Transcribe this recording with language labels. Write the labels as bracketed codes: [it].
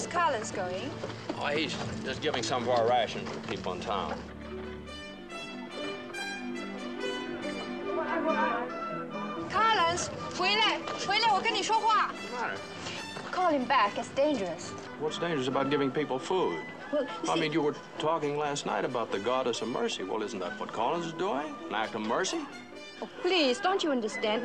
[en] Where's Collins going? Oh, he's just giving some of our rations to people in town. [zh] Collins, 回来，我跟你说话。 [en] What's the matter? Call him back. It's dangerous. What's dangerous about giving people food? Well, see, I mean, you were talking last night about the goddess of mercy. Well, isn't that what Collins is doing? An act of mercy? Oh, please, don't you understand?